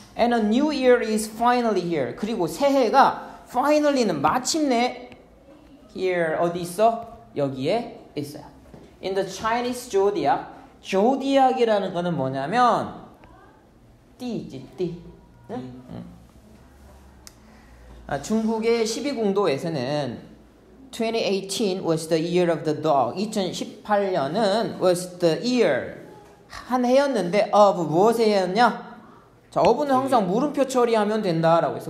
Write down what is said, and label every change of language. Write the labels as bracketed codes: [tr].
[en] And a new year is finally here. [ko] 그리고 새해가 finally는 마침내 here 어디 있어? 여기에 있어요. [en] In the Chinese zodiac, [ko] zodiac이라는 거는 뭐냐면 띠지 띠. 응? 응. 아, 중국의 12궁도에서는 [en] 2018 was the year of the dog. [ko] 2018년은 [en] was the year [ko] 한 해였는데 of 무엇의 해였냐? 자, of는 항상 물음표 처리하면 된다라고 했어.